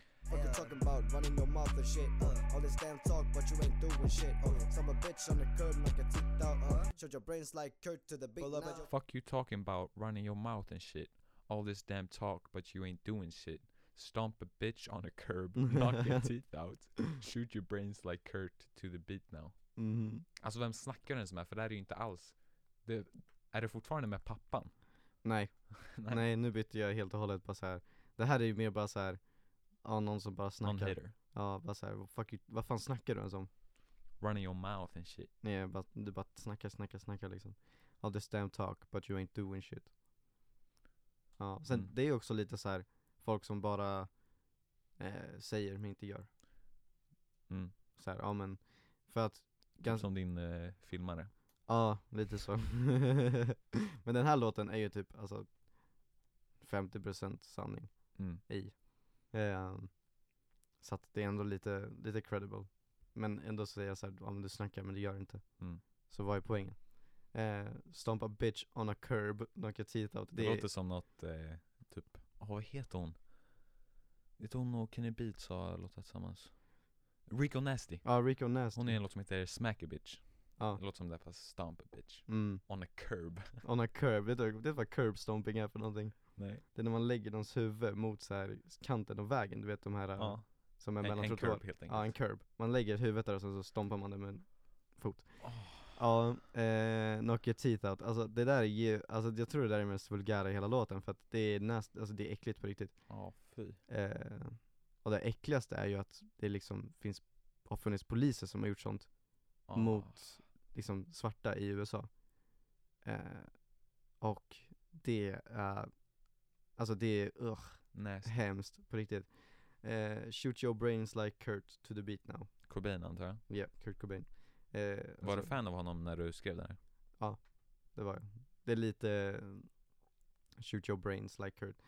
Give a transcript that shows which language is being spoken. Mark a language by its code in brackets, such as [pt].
[en] What you talking about, running your mouth and shit, all this damn talk, but you ain't doing shit, some a bitch on the curb, make a tick down, show your brains like Kurt to the beat now. Fuck you talking about, running your mouth and shit, all this damn talk, but you ain't doing shit, stomp a bitch on a curb, knock your teeth out, shoot your brains like Kurt to the beat now. Mm-hmm. [sv] Alltså vem snackar den som är, för det är ju inte alls, det, är det fortfarande med pappan? Nej. Nej, nu bytte jag helt och hållet på så här. Det här är ju mer bara så här. Ja, någon som bara snackar. Ja, bara såhär, vad fan snackar du ens om? [en] Running your mouth and shit. [sv] Nej, du bara snackar liksom. [en] All this damn talk, but you ain't doing shit. [sv] Ja, sen det är också lite så här folk som bara säger men inte gör. Mm. Så här, ja men, för att... Som din filmare. Ja, lite så. Men den här låten är ju typ, alltså 50% sanning i. Så att det är ändå lite credible. Men ändå så säger jag såhär, om du snackar men du gör inte. Mm. Så vad är poängen? [en] Stomp a bitch on a curb, knock your teeth out. [sv] Det låter som något typ, vad heter hon? Vet hon och Kenny Beats har låtat tillsammans. Rico Nasty. Ja, Rico Nasty. Hon är en låt som heter Smack a bitch. Ja. Det låter som det, fast [en] stomp a bitch. Mm. On a curb. On a curb. [sv] Vet du vad curb stomping är för någonting? Nej. Det är när man lägger någons huvud mot så här kanten av vägen, du vet de här som är mellan trottoar. Curb, helt enkelt. Ja, en curb. Man lägger huvudet där och sen så stompar man det med en fot. Oh. [en] Ja, knock your teeth out. [sv] Alltså det där är ju, alltså jag tror det där är mest vulgära i hela låten, för att det är näst, alltså det är äckligt på riktigt. Ja, fy. Och det äckligaste är ju att det liksom har funnits poliser som har gjort sånt mot liksom svarta i USA. Och det är alltså det är hemskt på riktigt. [en] Shoot your brains like Kurt to the beat now. [sv] Cobain antar jag. Ja, yeah, Kurt Cobain. Var alltså, du fan av honom när du skrev det här? Ja, det var jag. Det är lite [en] shoot your brains like Kurt.